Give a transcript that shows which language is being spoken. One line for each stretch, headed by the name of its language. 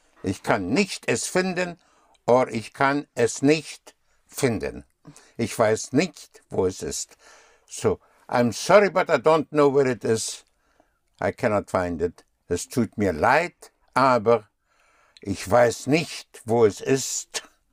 German: Ich kann nicht es finden, or ich kann es nicht finden. Ich weiß nicht, wo es ist.
English: So, I'm sorry, but I don't know where it is. I cannot find it.
German: Es tut mir leid, aber ich weiß nicht, wo es ist.